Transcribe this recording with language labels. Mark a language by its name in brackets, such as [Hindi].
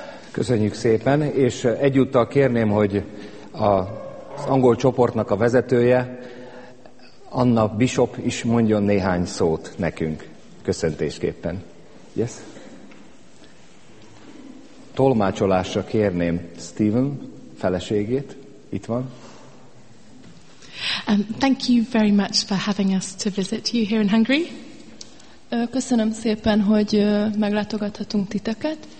[Hungarian] Köszönjük szépen, és egyúttal kérném, hogy az angol csoportnak a vezetője, Anna Bishop is mondjon néhány szót nekünk, köszöntésképpen. [English] Yes? [Hungarian] Tolmácsolásra kérném Stephen feleségét, itt van. [English] Thank you very much for having us to visit you here in Hungary. [Hungarian] Köszönöm szépen, hogy meglátogathatunk titeket.